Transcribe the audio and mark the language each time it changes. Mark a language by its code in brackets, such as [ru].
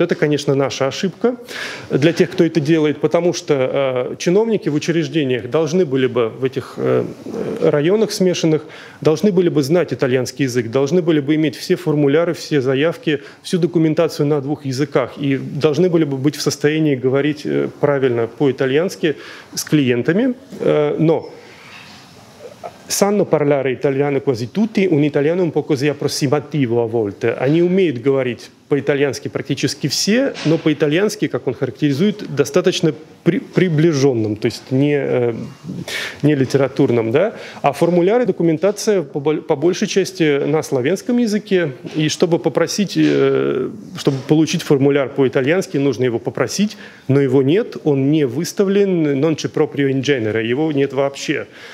[ru] Это, конечно, наша ошибка для тех, кто это делает, потому что чиновники в учреждениях должны были бы в этих районах смешанных, должны были бы знать итальянский язык, должны были бы иметь все формуляры, все заявки, всю документацию на двух языках и должны были бы быть в состоянии говорить правильно по-итальянски с клиентами. [it] Но sanno parlare italiano quasi tutti, un italiano un po' così approssimativo a volte. [ru] Они умеют говорить по-итальянски практически все, но по-итальянски, как он характеризует, достаточно приближенным, то есть не литературным. Да? А формуляры, документация по большей части на словенском языке. И чтобы попросить, чтобы получить формуляр по-итальянски, нужно его попросить, но его нет, он не выставлен [it] non c'è proprio in genere, [ru] его нет вообще.